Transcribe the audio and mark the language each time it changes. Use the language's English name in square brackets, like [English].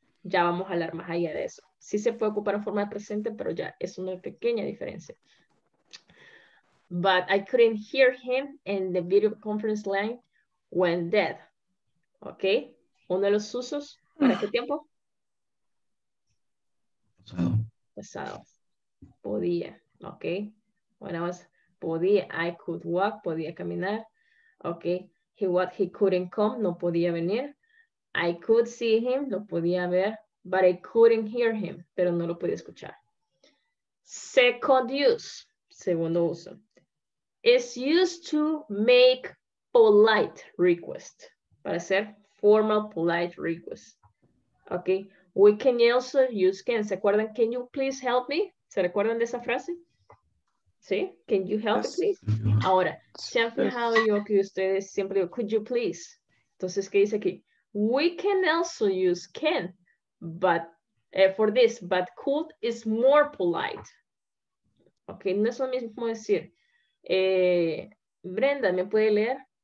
[Spanish] Ya vamos a hablar más allá de eso. Sí se puede ocupar en forma de presente, pero ya es una pequeña diferencia. [English] But I couldn't hear him in the video conference line when dead. [Spanish] ¿Ok? Uno de los usos, ¿para qué tiempo? Pasado. [English] Podía, ¿ok? When I was, podía, I could walk, [Spanish] podía caminar. [English] ¿Ok? He what he couldn't come, [Spanish] no podía venir. [English] I could see him, [Spanish] lo podía ver, [English] but I couldn't hear him, [Spanish] pero no lo podía escuchar. [English] Second use, [Spanish] segundo uso. [English] It's used to make polite request, [Spanish] para hacer [English] formal polite request. Ok, we can also use can. [Spanish] ¿Se acuerdan? [English] Can you please help me? [Spanish] ¿Se recuerdan de esa frase? ¿Sí? [English] Can you help me, please? [Spanish] Ahora, ¿se han fijado yo que ustedes siempre digo, [English] could you please? [Spanish] Entonces, ¿qué dice aquí? [English] We can also use can, but for this, but could is more polite. [Spanish] Ok, no es lo mismo decir, Brenda, ¿me puede leer?